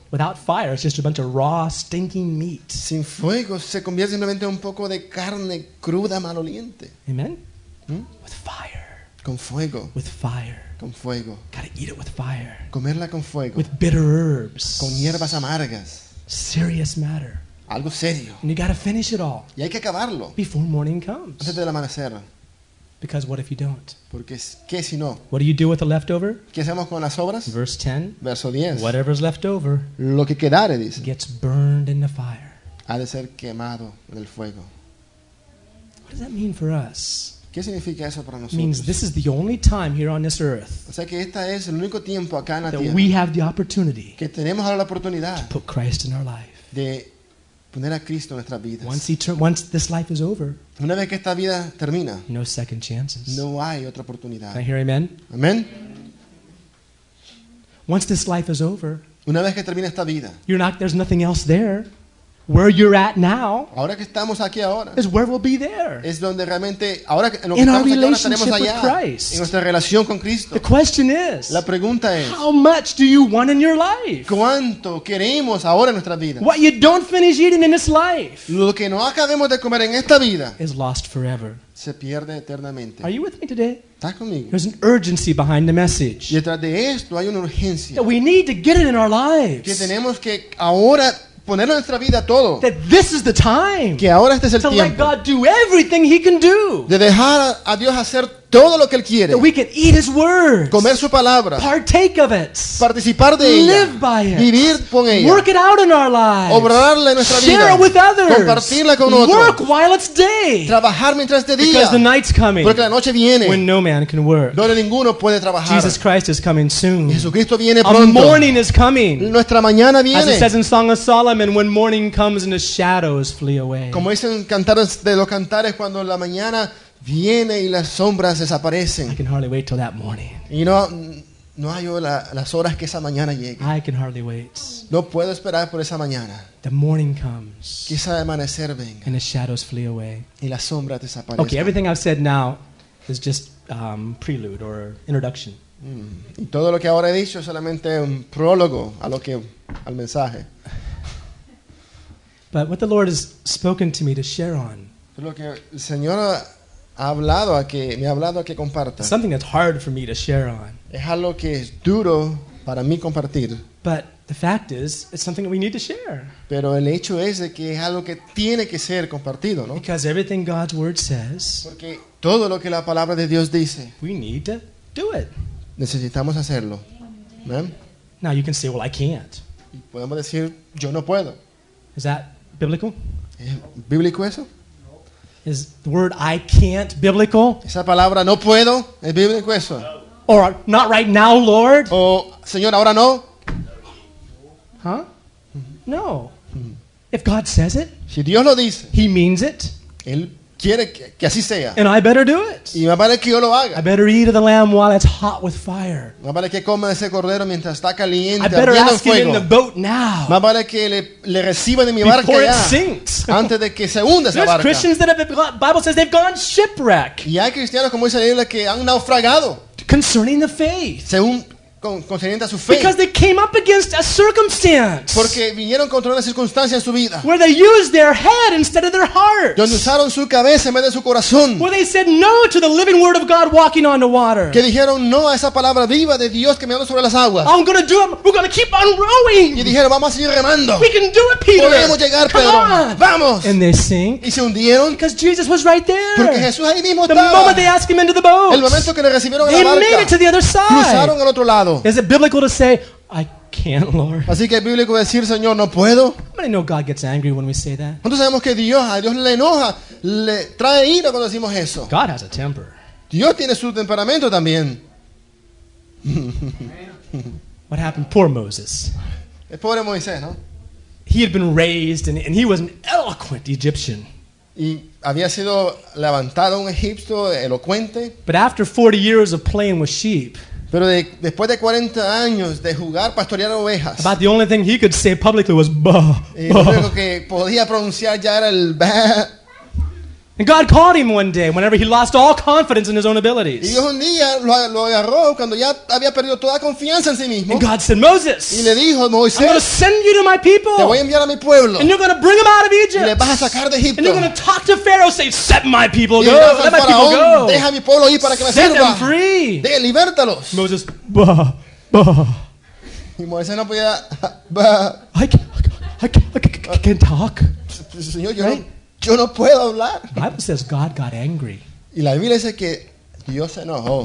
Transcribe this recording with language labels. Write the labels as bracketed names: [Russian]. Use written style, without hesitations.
[English] Without fire, it's just a bunch of raw, stinking meat. [Spanish] Sin fuego, se convierte simplemente en un poco de carne cruda, maloliente. [English] Amen? With fire. [Spanish] Con fuego. [English] With fire. [Spanish] Con fuego. [English] Gotta eat it with fire. [Spanish] Comerla con fuego. [English] With bitter herbs. [Spanish] Con hierbas amargas. [English] Serious matter. [Spanish] Algo serio. [English] And you gotta finish it all. [Spanish] Y hay que acabarlo. [English] Before morning comes. [Spanish] Antes del amanecer. [English] Because what if you don't? [Spanish] Porque, ¿qué si no? [English] What do you do with the leftover? [Spanish] ¿Qué hacemos con las sobras? [English] Verse 10. [Spanish] Verso 10. [English] Whatever's left over. [Spanish] Lo que quedare, dice. [English] Gets burned in the fire. [Spanish] Ha de ser quemado en el fuego. [English] What does that mean for us? [Spanish] ¿Qué significa eso para nosotros? [English] Means this is the only time here on this earth. [Spanish] O sea que esta es el único tiempo acá en la tierra. [English] That we have the opportunity. [Spanish] Que tenemos ahora la oportunidad. [English] To put Christ in our life. [Spanish] De poner a Cristo en nuestras vidas. [English] Once this life is over. [Spanish] Una vez que esta vida termina. [English] No second chances. [Spanish] No hay otra oportunidad. [English] Can I hear amen? Amen. Once this life is over. [Spanish] Una vez que termina esta vida. [English] You're not. There's nothing else there. Where you're at now. [Spanish] Ahora que estamos aquí ahora. Is where we'll be there. Es donde realmente ahora en lo que estamos aquí ahora tenemos allá. En nuestra relación con Cristo. [English] The question is. [Spanish] La pregunta es. [English] How much do you want in your life? [Spanish] ¿Cuánto queremos ahora en nuestra vida? [English] What you don't finish eating in this life. [Spanish] Lo que no acabemos de comer en esta vida. [English] Is lost forever. [Spanish] Se pierde eternamente. [English] Are you with me today? [Spanish] ¿Estás conmigo? [English] There's an urgency behind the message. [Spanish] Y detrás de esto hay una urgencia. [English] That we need to get it in our lives. [Spanish] Que tenemos que ahora ponerlo en nuestra vida todo. [English] That this is the time. [Spanish] Que ahora este es el [English] to [Spanish] tiempo. [English] To let God do everything He can do. [Spanish] De dejar a Dios hacer todo lo que Él quiere. [English] That we can eat His word. [Spanish] Comer su palabra. [English] Partake of it. [Spanish] Participar de ella. [English] Live by it. [Spanish] Vivir con ella. [English] Work it out in our lives. [Spanish] Obrarla en nuestra [English] share Share it with others. [Spanish] Compartirla con otros. [English] Work while it's day. [Spanish] Trabajar mientras es de día. [English] Because the night's coming. [Spanish] Porque la noche viene. [English] When no man can work. [Spanish] Donde ninguno puede trabajar. [English] Jesus Christ is coming soon. [Spanish] Jesucristo viene pronto. [English] A morning is coming. [Spanish] Nuestra mañana viene. [English] As it says in Song of Solomon, when morning comes and the shadows flee away. [Spanish] Como dice en Cantares de los Cantares, cuando la mañana viene y las sombras desaparecen. [English] I can hardly wait till that morning. [Spanish] Y no hay las horas que esa mañana llegue. [English] I can hardly wait. [Spanish] No puedo esperar por esa mañana. [English] The morning comes. [Spanish] Que ese amanecer venga. [English] And the shadows flee away. [Spanish] Y las sombras desaparecen. [English] Okay, everything I've said now is just prelude or introduction. [Spanish] Y todo lo que ahora he dicho es solamente un prólogo a lo que al mensaje. [English] But what the Lord has spoken to me to share on. [Spanish] Pero lo que el Señor me ha hablado a que comparta. [English] Something that's hard for me to share on. [Spanish] Es algo que es duro para mí compartir. [English] But the fact is, it's something that we need to share. [Spanish] Pero el hecho es de que es algo que tiene que ser compartido, ¿no? [English] Because everything God's word says. [Spanish] Porque todo lo que la palabra de Dios dice. [English] We need to do it. [Spanish] Necesitamos hacerlo. ¿Ven? [English] Now you can say, well, I can't. [Spanish] Y podemos decir, yo no puedo. [English] Is that biblical? [Spanish] ¿Es bíblico eso? [English] Is the word I can't biblical? [Spanish] Esa palabra no puedo, ¿es bíblico eso? [English] Or not right now, Lord? [Spanish] O Señor, ahora no. [English] Huh? Mm-hmm. No. Mm-hmm. If God says it, [Spanish] si Dios lo dice, [English] He means it. [Spanish] Él quiere que así sea. [English] And I better do it. [Spanish] Y más vale que yo lo haga. [English] I better eat of the lamb while it's hot with fire. [Spanish] Más vale que coma ese cordero mientras está caliente. [English] I better ask [Spanish] en fuego. [English] Him in the boat now. [Spanish] Más vale que le reciba de mi [English] before [Spanish] barca [English] it sinks. [Spanish] Antes de que se hunda esa [English] There's [Spanish] barca. [English] Christians that have the Bible says they've gone shipwreck. [Spanish] Y hay cristianos como dice la Biblia que han naufragado. [English] Concerning the faith. [Spanish] Según concerniente a su fe. [English] Because they came up against a circumstance. [Spanish] Porque vinieron contra una circunstancia en su vida. [English] Where they used their head instead of their heart. [Spanish] Donde usaron su cabeza en vez de su corazón. [English] Where they said no to the living word of God walking on the water. [Spanish] Que dijeron no a esa palabra viva de Dios que me habla sobre las aguas. [English] I'm gonna do it. We're gonna keep on rowing. [Spanish] Y dijeron vamos a seguir remando. [English] We can do it, Peter. [Spanish] Podemos llegar, [English] come [Spanish] Pedro. [English] On. [Spanish] Vamos. [English] And they sink. [Spanish] Y se hundieron. [English] Because Jesus was right there. [Spanish] Porque Jesús ahí mismo [English] the [Spanish] estaba. [English] The moment they asked him into the boat. [Spanish] El momento que le recibieron [English] they [Spanish] en la barca. [English] They made it to the other side. [Spanish] Cruzaron al otro lado. pecado. [English] Is it biblical to say, I can't, Lord? [Spanish] Así que es bíblico decir, Señor, no puedo. [English] How many know God gets angry when we say that? [Spanish] ¿Cuántos sabemos que Dios, a Dios le enoja, le trae ira cuando decimos eso? [English] God has a temper. [Spanish] Dios tiene su temperamento también. [English] What happened? Poor Moses. [Spanish] El pobre Moisés, ¿no? [English] He had been raised and he was an eloquent Egyptian. [Spanish] Y había sido levantado un egipcio elocuente. [English] But after 40 years of playing with sheep, [Spanish] pero después de 40 años de jugar pastorear ovejas, [English] about the only thing he could say publicly was bah. [Spanish] Y lo único que podía pronunciar ya era el bah. [English] And God caught him one day whenever he lost all confidence in his own abilities. [Spanish] Y un día lo agarró cuando ya había perdido toda confianza en sí mismo. [English] And God said, Moses, [Spanish] y le dijo, Moisés, [English] I'm going to send you to my people. [Spanish] Te voy a enviar a mi pueblo. [English] And you're going to bring them out of Egypt. [Spanish] Y le vas a sacar de Egipto. [English] And you're going to talk to Pharaoh, say, set my people [Spanish] y [English] go. [Spanish] Y [English] let my people go. [Spanish] Deja mi pueblo ir para que me sirva. [English] Set them free. [Spanish] De, libertalos. [English] Moses, bah, bah. [Spanish] Y Moisés no podía, bah. [English] I can't talk. [Spanish] Señor, yo [English] right? [Spanish] Yo no puedo hablar. [English] The Bible says God got angry. [Spanish] Y la Biblia dice que Dios se enojó.